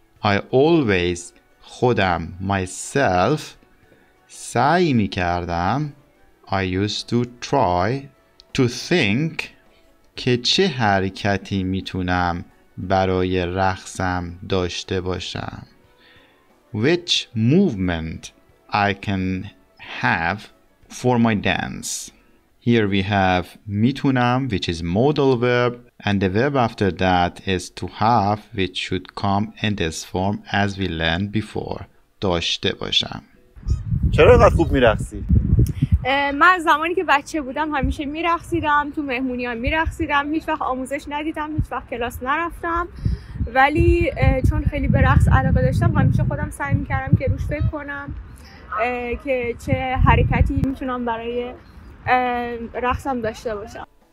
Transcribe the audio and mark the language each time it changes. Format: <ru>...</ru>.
<en>I always خودم myself</en> <fa>سعی می‌کردم.</fa> <en>I used to try to think</en> <fa>که چه حرکتی میتونم برای رقصم داشته باشم.</fa> <en>Which movement I can have for my dance. Here we have میتونم, which is modal verb, and the verb after that is to have, which should come in this form as we learned before,</en> <fa>داشته باشم. چرا اینقدر خوب میرقصی؟ من زمانی که بچه بودم همیشه میرقصیدم, تو مهمونی ها میرقصیدم, هیچ وقت آموزش ندیدم, هیچ وقت کلاس نرفتم, ولی چون خیلی به رقص علاقه داشتم همیشه خودم سعی میکردم که روش فکر کنم که چه حرکتی میتونم برای رقصم داشته باشم.</fa>